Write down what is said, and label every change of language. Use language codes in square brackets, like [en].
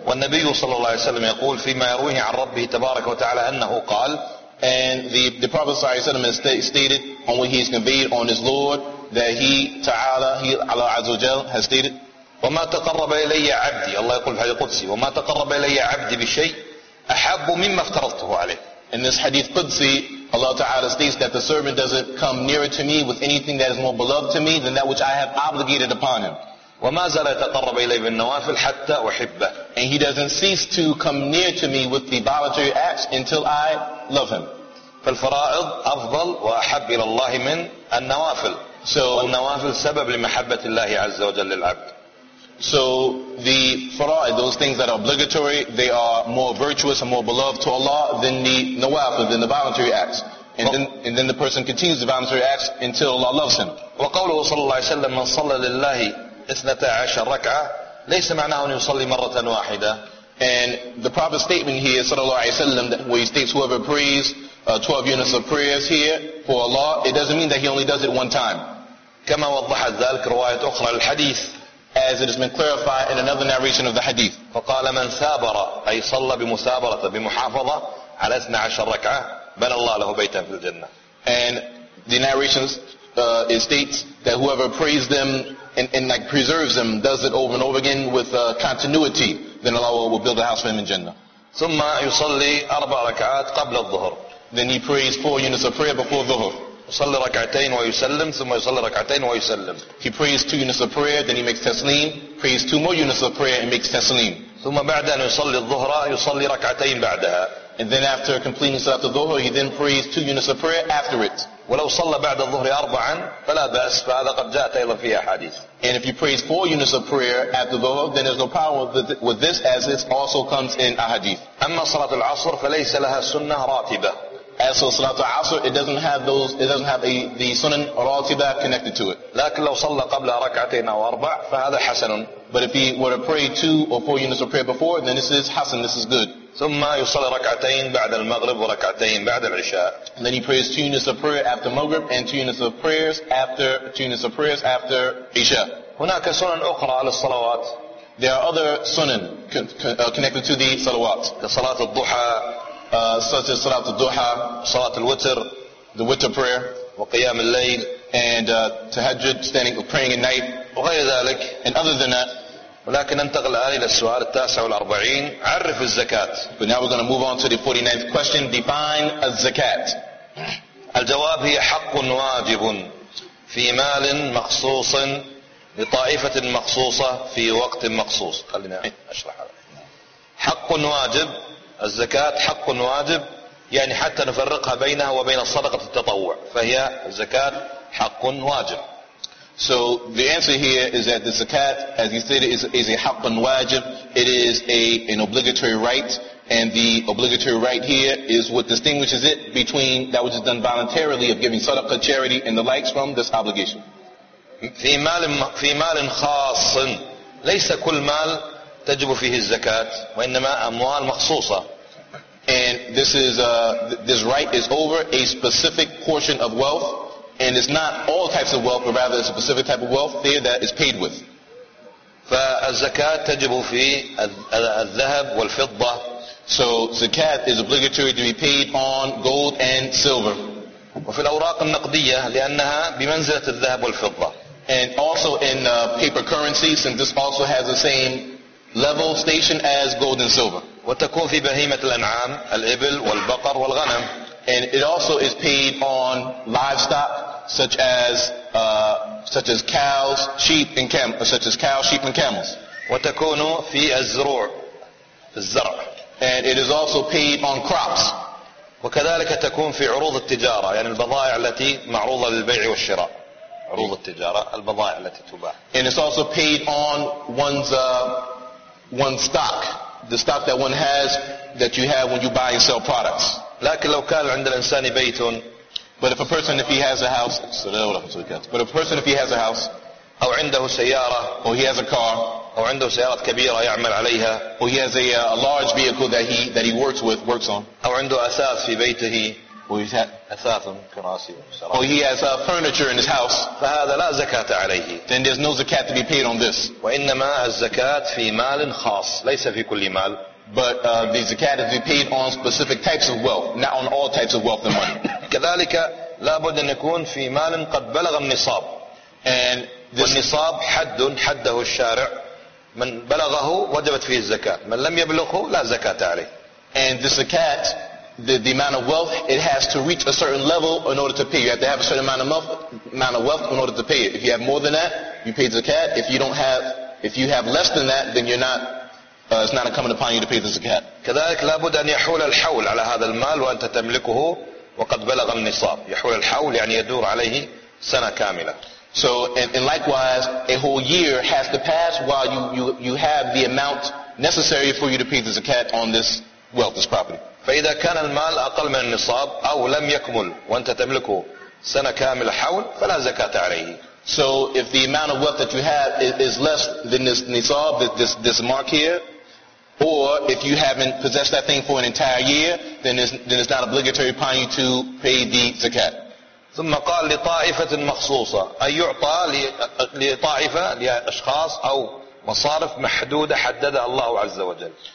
[ar] والنبي صلى الله عليه وسلم يقول فيما يرويه عن ربه تبارك وتعالى أنه قال. [en] And the Prophet [ar] صلى الله عليه وسلم [en] has stated on what he has conveyed on his Lord that he تعالى he Allah [ar] عز وجل [en] has stated [ar] وما تقرب إلي عبدي الله يقول في الحديث القدسي وما تقرب إلي عبدي بشيء أحب مما افترضته عليه. [en] In this hadith قدسي, Allah Ta'ala states that the servant doesn't come nearer to me with anything that is more beloved to me than that which I have obligated upon him. [ar] وما زال يتقرب إلي بالنوافل حتى أحبه. [en] And he doesn't cease to come near to me with the voluntary acts until I love him. [ar] فالفرائض أفضل وأحب إلى الله من النوافل. [en] So [ar] النوافل سبب لمحبة الله عز وجل للعبد. [en] So the fara'id, those things that are obligatory, they are more virtuous and more beloved to Allah than the nawafil, than the voluntary acts. And then the person continues the voluntary acts until Allah loves him. [ar] وقوله صلى الله عليه وسلم من صلى لله 12 ركعة ليس معناه أن يصلي مرة واحدة. [en] And the Prophet's statement here, [ar] sallallahu alayhi wa sallam, [en] where he states whoever prays 12 units of prayers here for Allah, it doesn't mean that he only does it one time. [ar] كما وضحت ذلك رواية أخرى للحديث. [en] As it has been clarified in another narration of the hadith. [ar] فقال من سابر أي صلى بمسابرة بمحافظة على 12 ركعة بنى الله له بيتا في الجنة. [en] And the narration it states that whoever prays them and like preserves them, does it over and over again with continuity, then Allah will build a house for him in Jannah. [ar] ثم يصلي أربع ركعات قبل الظهر. [en] Then he prays four units of prayer before ظهر. [ar] يصلي ركعتين ويسلم ثم يصلي ركعتين ويسلم. [en] He prays two units of prayer, then he makes تسليم. Prays two more units of prayer and makes تسليم. [ar] ثم بعد أن يصلي الظهر يصلي ركعتين بعدها. [en] And then after completing صلاة الظهر, he then prays two units of prayer after it. [ar] ولو صلى بعد الظهر أربعا فلا بأس فهذا قد جاءت أيضا فيها حديث. [en] And if he prays four units of prayer after the ظهر, then there's no problem with this, as it also comes in a hadith. [ar] أما صلاة العصر فليس لها سنة راتبة. [en] As for صلاة العصر, it doesn't have the sunan ratiba connected to it. [ar] لكن لو صلى قبل ركعتين أو أربع فهذا حسن. [en] But if he were to pray two or four units of prayer before, then this is hasan, this is good. [ar] ثم يصلي ركعتين بعد المغرب وركعتين بعد العشاء. [en] And then he prays two units of prayer after maghrib and two units of prayers after isha. [ar] هناك سنن أخرى للصلوات. [en] There are other sunan connected to the salawat. [ar] كصلاة الضحى. [en] Such as Salat al-Duha, Salat al-Witr, the Witr prayer, [ar] وقيام الليل, [en] and Tahajjud, standing praying at night, [ar] وغير ذلك, [en] and other than that. [ar] ولكن ننتقل الآن إلى السؤال 49. عرف الزكاة. [en] But now we're going to move on to the 49th question. Define al-Zakat. [ar] الجواب هي حق واجب في مال مخصوص لطائفة مخصوصة في وقت مخصوص. خلينا أشرح هذا. حق واجب. الزكاة حق واجب, يعني حتى نفرقها بينها وبين الصدقة التطوع, فهي الزكاة حق واجب. [en] So the answer here is that the zakat, as you stated, is a [ar] حق واجب. [en] It is an obligatory right, and the obligatory right here is what distinguishes it between that which is done voluntarily of giving sadaqah, charity, and the likes from this obligation. [ar] في مال خاص, ليس كل مال تجب فيه الزكاة وإنما أموال مخصوصة. [en] And this is this right is over a specific portion of wealth, and it's not all types of wealth, but rather it's a specific type of wealth there that is paid with. [ar] فالزكاة تجب في الذهب والفضة. [en] So zakat is obligatory to be paid on gold and silver. [ar] وفي الأوراق النقدية لأنها بمنزلة الذهب والفضة. [en] And also in paper currency, since this also has the same level station as gold and silver. [ar] وتكون في بهيمة الأنعام الإبل والبقر والغنم. [en] And it also is paid on livestock such as cows, sheep and camels, such as cows, sheep and camels. [ar] وتكون في الزروع الزرع. [en] And it is also paid on crops. [ar] وكذلك تكون في عروض التجارة, يعني البضائع التي معروضة للبيع والشراء. عروض التجارة البضائع التي تباع. [en] And it's also paid on one stock, the stock that one has that you have when you buy and sell products. [ar] لكن لو كان عند الإنسان بيت, [en] but if a person if he has a house, but a person if he has a house, [ar] أو عنده سيارة, [en] or he has a car, [ar] أو عنده سيارات كبيرة يعمل عليها, [en] or he has a large vehicle that he works on, [ar] أو عنده أثاث في بيته, [en] or he has furniture in his house, [ar] فهذا لا زكاة عليه. [en] Then there's no zakat to be paid on this. [ar] وإنما الزكاة في مال خاص, ليس في كل مال. [en] But the zakat is to be paid on specific types of wealth, not on all types of wealth and money. [ar] كذلك لا بد أن يكون في مال قد بلغ النصاب. [en] And this [ar] والنصاب حده الشارع, من بلغه وجبت فيه الزكاة, من لم يبلغه لا زكاة عليه. [en] And this zakat, the amount of wealth, it has to reach a certain level in order to pay. You have to have a certain amount of wealth in order to pay it. If you have more than that, you pay the zakat. If you have less than that, then you're not, it's not incumbent upon you to pay the zakat. [ar] كذلك لابد أن يحول الحول على هذا المال وأنت تملكه وقد بلغ النصاب. يحول الحول يعني يدور عليه سنة كاملة. [en] So and likewise, a whole year has to pass while you have the amount necessary for you to pay the zakat on this wealth, this property. [ar] فإذا كان المال أقل من النصاب أو لم يكمل وأنت تملكه سنة كاملة حول فلا زكاة عليه. [en] So if the amount of wealth that you have is less than this nisab, this mark here, or if you haven't possessed that thing for an entire year, then it's not obligatory upon you to pay the zakat. [ar] ثم قال لطائفة مخصوصة أن يعطى لطائفة لأشخاص أو مصارف محدودة حددها الله عز وجل.